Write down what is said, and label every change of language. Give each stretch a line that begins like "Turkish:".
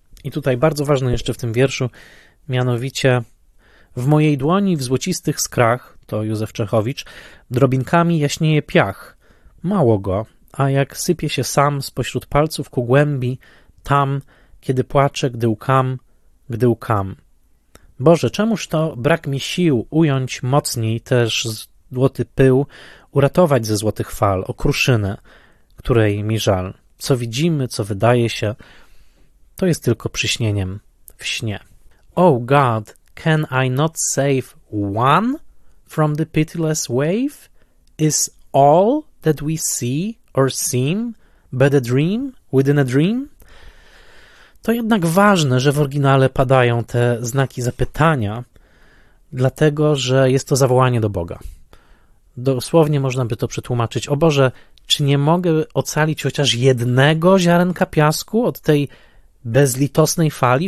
Polish: I tutaj bardzo ważne jeszcze w tym wierszu, mianowicie w mojej dłoni w złocistych skrach, to Józef Czechowicz, drobinkami jaśnieje piach, mało go, a jak sypie się sam spośród palców ku głębi, tam, kiedy płaczę, gdy łkam, gdy łkam. Boże, czemuż to brak mi sił ująć mocniej też złoty pył, uratować ze złotych fal okruszynę, której mi żal. Co widzimy, co wydaje się, to jest tylko przyśnieniem w śnie.
English: Oh God, can I not save one from the pitiless wave? Is all that we see or seem but a dream within a dream?
Polish: To jednak ważne, że w oryginale padają te znaki zapytania, dlatego że jest to zawołanie do Boga. Dosłownie można by to przetłumaczyć. O Boże, czy nie mogę ocalić chociaż jednego ziarenka piasku od tej bezlitosnej fali?